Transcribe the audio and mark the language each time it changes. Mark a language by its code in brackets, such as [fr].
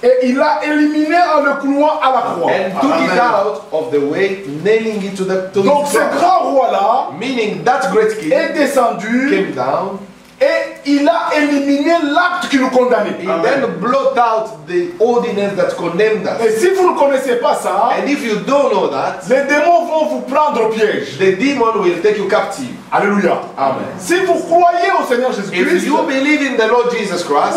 [fr] et il a éliminé en le clouant à la croix, [en] and took it out of the way, nailing it to the cross. [fr] Donc ce grand roi là, [en] meaning that great king, [fr] est descendu, [en] came down. [fr] Et il a éliminé l'acte qui nous condamnait. [en] He then blotted out the ordinance that condemned us. [fr] Et si vous ne connaissez pas ça, [en] and if you don't know that, [fr] les démons vont vous prendre au piège. [en] The demon will take you captive. [fr] Alléluia. [en] Amen. [fr] Si vous croyez au Seigneur Jésus-Christ, [en] if you believe in the Lord Jesus Christ,